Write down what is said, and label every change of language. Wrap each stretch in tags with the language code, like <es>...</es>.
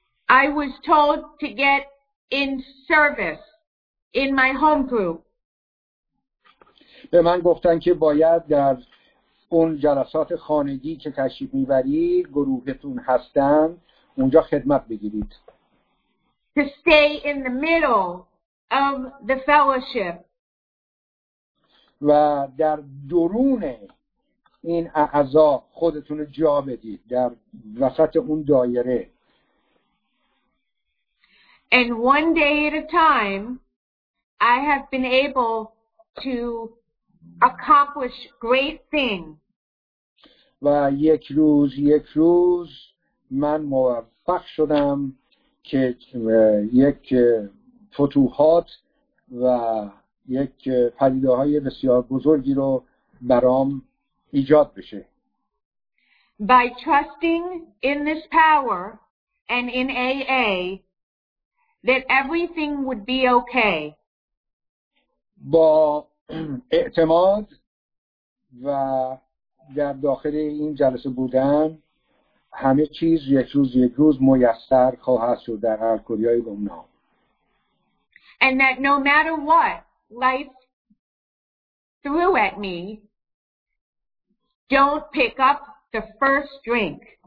<en>I was told to get in service in my home group.</en> <fa>به من گفتن که باید در اون جلسات خانگی که تشریف میبرید گروهتون هستن اونجا خدمت بگیرید.</fa> <en>To stay in the middle of the fellowship.</en> <fa>و در درون این اعضا خودتون رو جا بدید در وسط اون دایره.</fa> <en>And one day at a time I have been able to accomplish great things.</en> <fa>و یک روز من موفق شدم که یک فتوحات و یک پدیده‌های بسیار بزرگی رو برام ایجاد بشه.</fa> <en>By trusting in this power and in AA that everything would be okay.</en> <fa>با اعتماد و در داخل این جلسه بودن همه چیز یک روز میسر خواهد شد در هر کدیای گمنام.</fa> <en>And that no matter what life threw at me, don't pick up the first drink.</en>